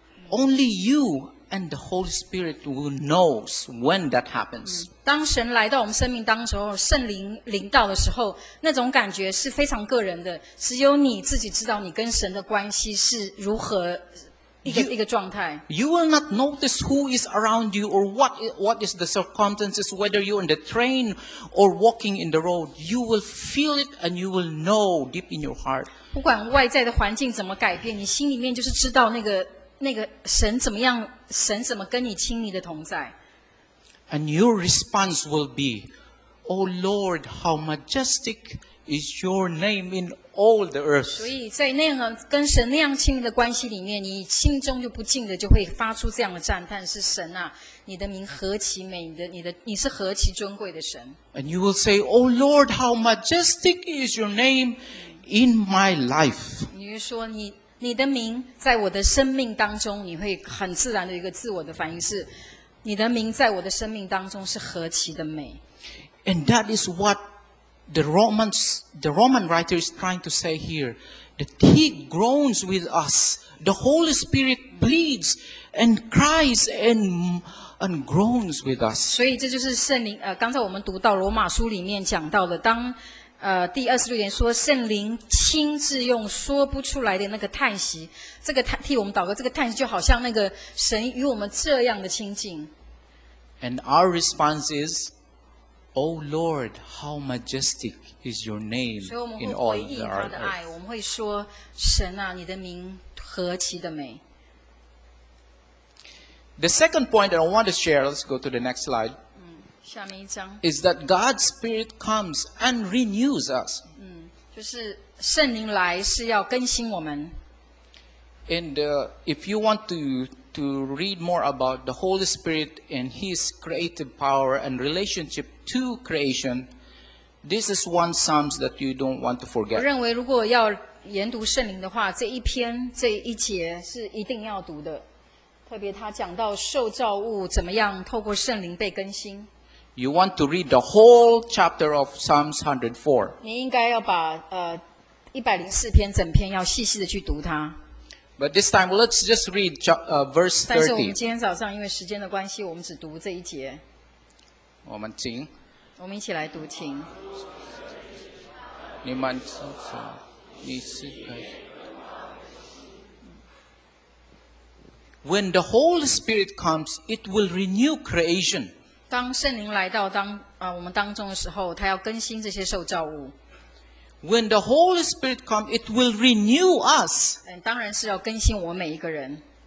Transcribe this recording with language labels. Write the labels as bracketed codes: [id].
[en] Only you and the Holy Spirit will knows when that happens. [zh] 当神来到我们生命当中，圣灵临到的时候，那种感觉是非常个人的，只有你自己知道你跟神的关系是如何。一个状态。 [en] You will not notice who is around you or what is the circumstances, whether you're in the train or walking in the road. You will feel it and you will know deep in your heart. [zh] 不管外在的环境怎么改变，你心里面就是知道那个神怎么样，神怎么跟你亲密的同在。 [en] And your response will be, Oh Lord, how majestic is your name in all. All the earth. [zh] 所以在那样跟神那样亲密的关系里面，你心中就不禁的就会发出这样的赞叹：是神啊，你的名何其美，你是何其尊贵的神。 [en] And you will say, Oh Lord, how majestic is your name in my life? [zh] 你就说你的名在我的生命当中，你会很自然的一个自我的反应是：你的名在我的生命当中是何其的美。 [en] And that is what. The Roman writer is trying to say here that he groans with us. The Holy Spirit pleads and cries and groans with us. [zh] 所以这就是圣灵刚才我们读到罗马书里面讲到的，当第二十六节说圣灵亲自用说不出来的那个叹息，这个替我们祷告，这个叹息就好像那个神与我们这样的亲近。 [en] And our response is. Oh Lord, how majestic is your name in all the earth. [zh] 所以我们会回应他的爱，我们会说，神啊，你的名何其的美。 [en] The second point that I want to share, let's go to the next slide. [zh] 下面一张。 [en] Is that God's Spirit comes and renews us. [zh] 就是圣灵来是要更新我们。 [en] And if you want to read more about the Holy Spirit and His creative power and relationship to creation, this is one Psalms that you don't want to forget. [zh] 我认为如果要研读圣灵的话，这一篇这一节是一定要读的，特别他讲到受造物怎么样透过圣灵被更新。 [en] You want to read the whole chapter of Psalms 104. [zh] 你应该要把104篇整篇要细细的去读它。 [en] But this time, let's just read verse 30. [zh] 但是我们今天早上因为时间的关系，我们只读这一节。我们请。我们一起来读，请。你们知道，你是可以。 [en] When the Holy Spirit comes, it will renew creation. [zh] 当圣灵来到我们当中的时候，他要更新这些受造物。 [en] When the Holy Spirit comes, it will renew us. [zh] 当然是要更新我每一个人。